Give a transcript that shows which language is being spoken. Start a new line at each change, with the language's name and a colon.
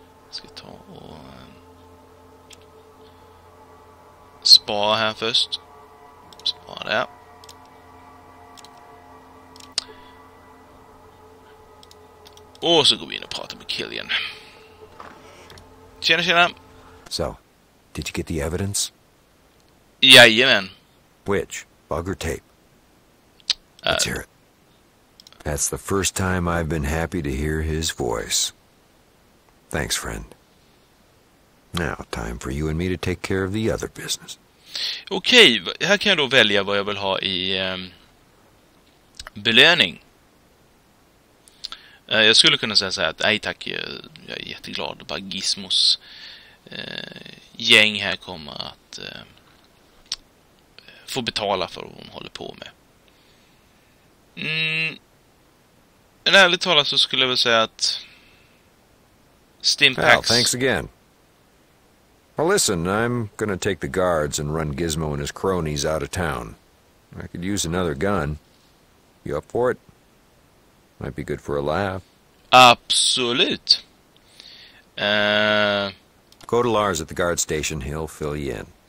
Swedish: Ska ta och spara här först. Spara där. Och så går vi in och pratar med Killian. Tjena, tjena.
English: So, did you get the evidence?
Swedish: Jajamän.
English: Which? Bug or tape? Let's hear it. That's the first time I've been happy to hear his voice. Thanks, friend. Now, time for you and me to take care of the other business.
Swedish: Okej, här kan jag då välja vad jag vill ha i belöning. Jag skulle kunna säga så här att nej tack, jag är jätteglad. Bara Gizmos gäng här kommer att få betala för vad de håller på med. Men ärligt talat så skulle jag väl säga att Stimpaks.
English: Well, thanks again. Well, listen, I'm gonna take the guards and run Gizmo and his cronies out of town. I could use another gun. You up for it? Might be good for a laugh.
Swedish: Absolut.
English: Go to Lars at the guard station. He'll fill you in.